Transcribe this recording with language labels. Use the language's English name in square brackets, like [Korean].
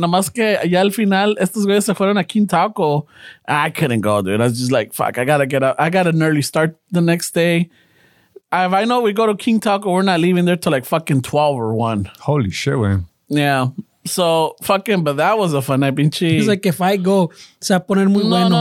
[Spanish] Nomás que ya al final, estos güeyes se fueron a King Taco. [English] I couldn't go, dude. I was just like, fuck, I gotta get up. I got an early start the next day. If I know we go to King Taco, we're not leaving there till like fucking 12 or 1. Holy shit, man. Yeah. So, fucking, but that was a fun night, pinche. He's like, if I go, [Spanish] se va a poner muy bueno.